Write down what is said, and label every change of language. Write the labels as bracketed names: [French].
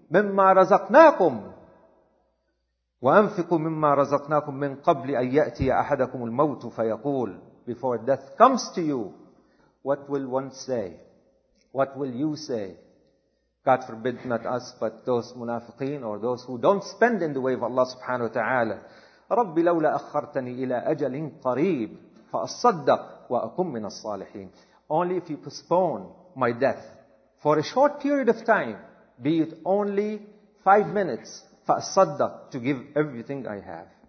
[Arabic] مما رزقناكم. وأنفقوا مما رزقناكم من قبل أن يأتي أحدكم الموت فيقول, [English] before death comes to you, what will one say? What will you say? God forbid, not us, but those munafiqeen or those who don't spend in the way of Allah subhanahu wa ta'ala. [Arabic] رَبِّ لَوْلَا أَخَّرْتَنِي إِلَىٰ أَجَلٍ قَرِيبٍ فَأَصَّدَّقْ وَأَكُمْ مِنَ الصَّالِحِينَ. [English] Only if you postpone my death for a short period of time, be it only 5 minutes, [Arabic] فَأَصَّدَّقْ, [English] to give everything I have.